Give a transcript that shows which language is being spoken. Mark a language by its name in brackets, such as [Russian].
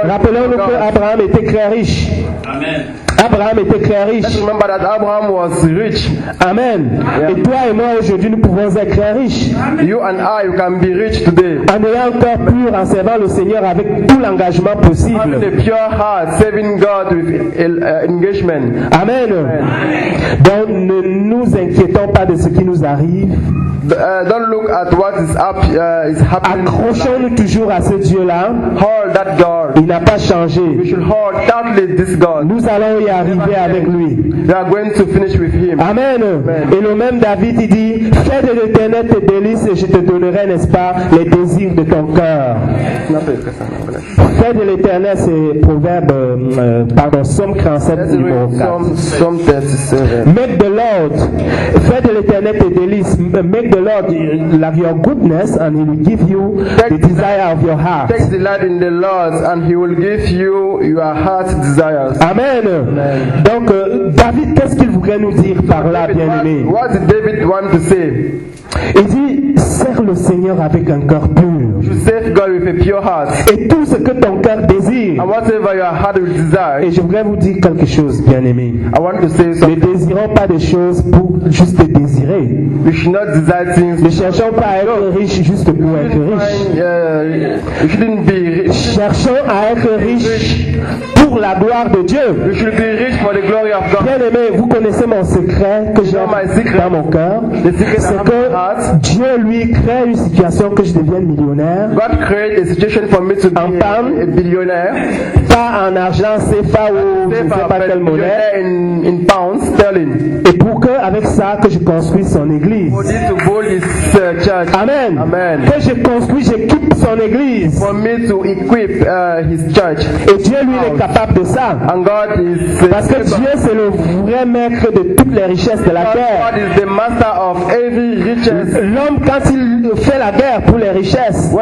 [French] Rappelons-nous que Abraham était très riche. Amen. Abraham était très riche. [English] Let's remember that Abraham was rich. Amen. Yeah. [French] Et toi et moi aujourd'hui nous pouvons être très riches. [English] You and I, you can be rich today. [French] En ayant un cœur pur, en servant le Seigneur avec tout l'engagement possible. [English] Having a pure heart, serving God with engagement. Amen. Amen. [French] Donc ne nous inquiétons pas de ce qui nous arrive. [English] Don't look at what is up, is happening. [French] Accrochons-nous toujours à ce Dieu-là. [English] Hold that God. [French] Il n'a pas changé. [English] We should hold tightly this God. [French] Nous allons y arriver avec lui. [English] We are going to finish with him. Amen. [French] Et le même David il dit, fais de l'Éternel tes délices et je te donnerai, n'est-ce pas, les désirs de ton cœur. Fais de l'Éternel, c'est Proverbe, Somme 37, numéro 4. [English] Make the Lord. [French] Fais de l'Éternel tes délices. [English] Make the Lord love your goodness and he will give you the desire of your heart. Take delight in the Lord and he will give you your heart's desires. Amen. [French] Donc, David, qu'est-ce qu'il voudrait nous dire par là, bien-aimé? [English] What did David want to say? [French] Il dit, sers le Seigneur avec un cœur pur. [English] You serve God with a pure heart. [French] Et tout ce que ton cœur désire. [English] And whatever your heart will desire. [French] Et je voudrais vous dire quelque chose, bien-aimé. [English] I want to say something. [French] Ne désirons pas des choses pour juste désirer. [English] We should not desire things. [French] Ne cherchons pas à être riche juste pour être riche. [English] We shouldn't be rich. [French] Cherchons à être riche pour la gloire de Dieu. [English] We should be rich for the glory of God. [French] Bien-aimé, vous connaissez mon secret que j'ai dans mon cœur. [English] The secret [French] c'est que Dieu lui crée une situation que je devienne millionnaire. [English] God created a situation for me to be a billionaire. [French] Pas en argent CFA ou je ne sais pas quelle monnaie. [English] In pounds sterling. [French] Et pour que avec ça que je construise son église. [English] For this to build his church. Amen. Amen. [French] Que je construise, j'équipe son église. [English] For me to equip his church. [French] Et Dieu lui est capable de ça. [English] And God is. [French] Parce que Dieu c'est le vrai maître de toutes les richesses de la terre. [English] God is the master of every riches. [French] L'homme quand il fait la guerre pour les richesses,